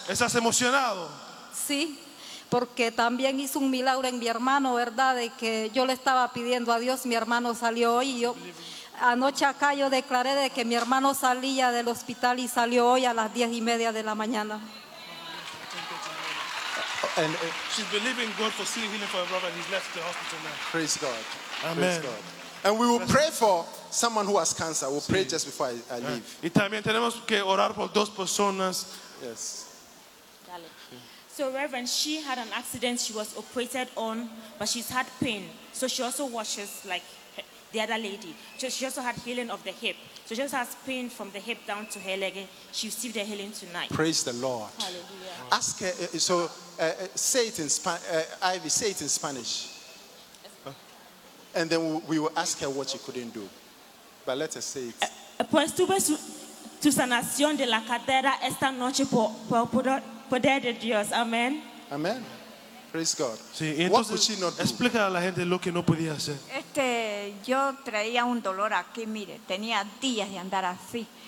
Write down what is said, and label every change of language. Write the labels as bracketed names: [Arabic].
[Spanish] ¿Estás emocionado? Sí, porque también hizo un milagro en mi hermano, ¿verdad? De que yo le estaba pidiendo a Dios, mi hermano salió hoy y yo anoche acá yo declaré de que mi hermano salía del hospital y salió hoy a las 10:30 de la mañana. [English] And she's believing God for seeing healing for her brother, and he's left the hospital now. Praise God. Amen. Praise God. And we will pray for someone who has cancer. We'll pray just before I leave. [Spanish] Y también tenemos que orar por dos personas. [English] Yes. [Spanish] Dale. [English] So, Reverend, she had an accident. She was operated on, but she's had pain. So she also washes like the other lady. So she also had healing of the hip. So she also has pain from the hip down to her leg. She received the healing tonight. Praise the Lord. Hallelujah. Ask her. So. Say it in Spanish. Ivy, say it in Spanish. And then we will ask her what she couldn't do. But let her say it. [Spanish] Pues tuve tu sanación de la cadera esta noche por poder de Dios. [English] Amen. Amen. Praise God. [Spanish] Sí, entonces, [English] what could she not do? [Spanish] Explica a la gente lo que no podía hacer. Yo traía un dolor aquí, mire. Tenía días de andar así.